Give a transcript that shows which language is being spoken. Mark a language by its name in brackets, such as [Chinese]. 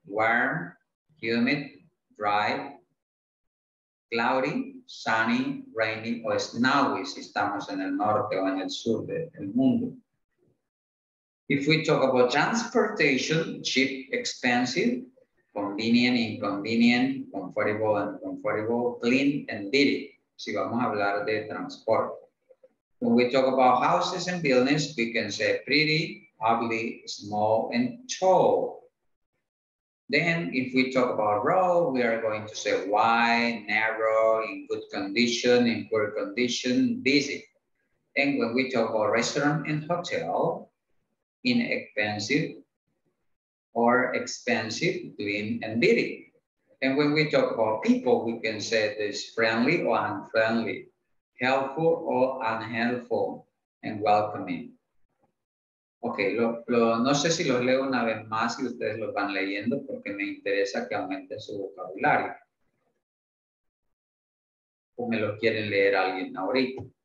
[English] warm, humid, dry, cloudy, sunny, rainy [Spanish] o snowy, si estamos en el norte o en el sur del mundo. [English] If we talk about transportation, cheap, expensive, convenient, inconvenient, comfortable, uncomfortable, clean, and dirty. [Spanish] Si vamos a hablar de transporte. [English] When we talk about houses and buildings, we can say pretty, ugly, small, and tall. Then, if we talk about road, we are going to say wide, narrow, in good condition, in poor condition, busy. And when we talk about restaurant and hotel, inexpensive or expensive, clean and dirty. And when we talk about people, we can say this friendly or unfriendly, helpful or unhelpful, and welcoming. [Spanish] Okay, no sé si los leo una vez más y ustedes los van leyendo porque me interesa que aumenten su vocabulario. O me lo quieren leer a alguien ahorita.